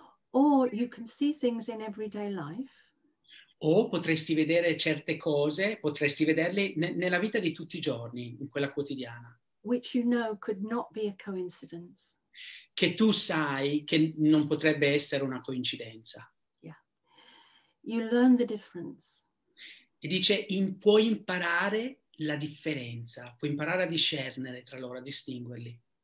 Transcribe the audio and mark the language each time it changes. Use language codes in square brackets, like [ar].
[en] Or you can see things in everyday life. [it] O potresti vedere certe cose, potresti vederle nella vita di tutti i giorni, in quella quotidiana. [en] Which you know could not be a coincidence. [it] Che tu sai che non potrebbe essere una coincidenza. [en] Yeah. You learn the difference. [it] E dice, puoi imparare la differenza, puoi imparare a discernere tra loro, a distinguerli.